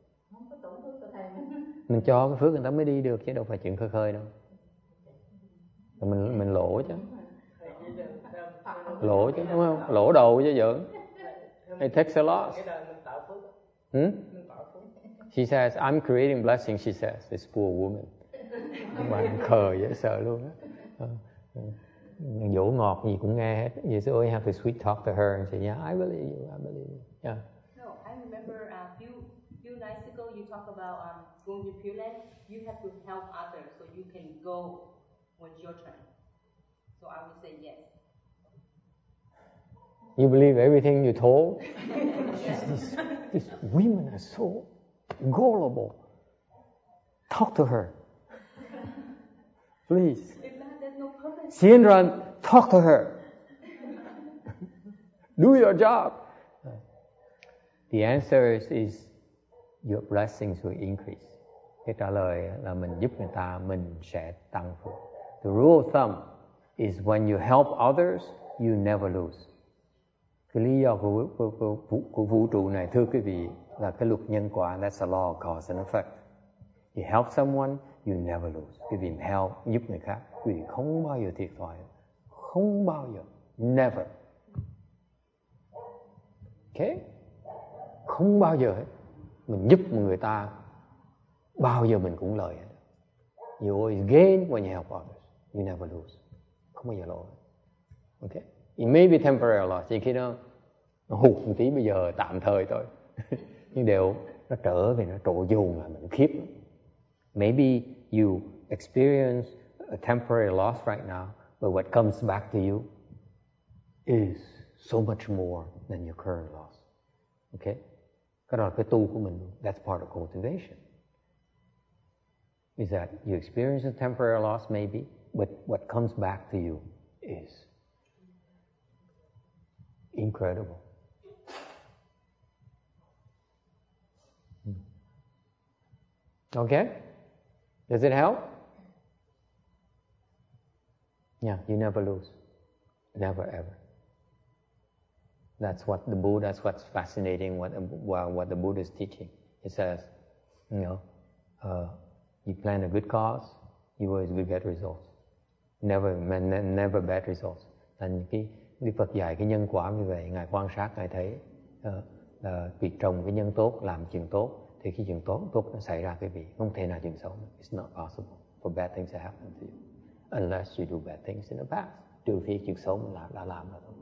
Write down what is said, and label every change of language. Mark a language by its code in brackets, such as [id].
[vi] Không có tổn phước cho thầy. Mình cho cái phước người ta mới đi được chứ đâu phải chuyện khơi khơi đâu. Rồi mình lỗ chứ. Lỗ chứ đúng không? Lỗ đầu chứ giỡn. [en] It takes a loss. Hmm? She says, I'm creating blessing, she says, this poor woman. [vi] Bạn khờ dễ sợ luôn á. Dỗ ngọt gì cũng nghe hết. [en] You say, oh, you have to sweet talk to her. And say, yeah, I believe you, I believe you. Yeah. No, I remember a few nights ago, you talk about when you feel it, you have to help others so you can go when it's your turn. So I would say yes. You believe everything you told? These women are so gullible. Talk to her. Please. Sienran, talk to her. Do your job. The answer is your blessings will increase. [vi] Cái trả lời là mình giúp người ta, mình sẽ tăng phước. [en] The rule of thumb is when you help others, you never lose. [vi] Cái lý do của vũ trụ này, thưa quý vị, là cái luật nhân quả, [en] that's the law of cause and effect. You help someone, you never lose. [vi] Quý vị help, giúp người khác, quý vị không bao giờ thiệt thòi. Không bao giờ. [en] Never. [vi] Okay? Không bao giờ hết. Mình giúp người ta, bao giờ mình cũng lời hết. [en] You always gain when you help others. You never lose. [vi] Không bao giờ lỗ. [en] Okay? It may be temporary loss, [vi] chỉ khi nó hụt một tí bây giờ tạm thời thôi. Nhưng đều nó trở về, nó trổ dồn là mình khiếp. [en] Maybe you experience a temporary loss right now, but what comes back to you is so much more than your current loss. Okay? [vi] Cái đó là cái tu của mình. [en] That's part of cultivation. Is that you experience a temporary loss maybe, but what comes back to you is incredible. Okay? Does it help? Yeah, you never lose. Never ever. That's what the Buddha, that's what's fascinating, what the Buddha is teaching. He says, you know, you plan a good cause, you always will get results. Never bad results. [vi] And Đức Phật dạy cái nhân quả như vậy. Ngài quan sát, Ngài thấy việc trồng cái nhân tốt, làm chuyện tốt, thì khi chuyện tốt nó xảy ra cái gì? Không thể nào chuyện xấu. [en] It's not possible for bad things to happen to you unless you do bad things in the past. [vi] Trừ khi chuyện xấu mình đã làm rồi.